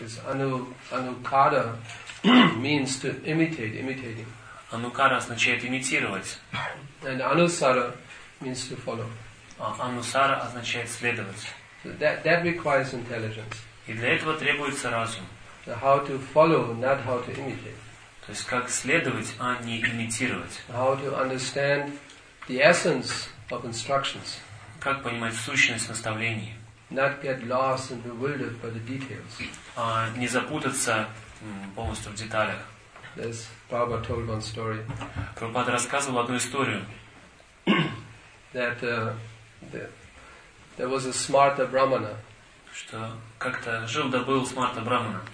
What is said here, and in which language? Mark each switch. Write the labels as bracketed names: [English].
[English] Anukara means to imitate, imitating. [Russian] Анукара означает имитировать. [English] And anusara means to follow. [Russian] Анусара означает следовать. [English] So that requires intelligence. [Russian] И для этого требуется разум. [English] So how to follow, not how to imitate. [Russian] То есть как следовать, а не имитировать. [English] How to understand the essence of instructions. [Russian] Как понимать сущность наставлений. [English] Not get lost and bewildered by the details. [Russian] А не запутаться полностью в деталях. [English] This Prabhupada told one story. [Russian] Прабхупада рассказывал одну историю. [English] That there was a smarta brahmana. [Russian] Что как-то жил да был смарта брахмана.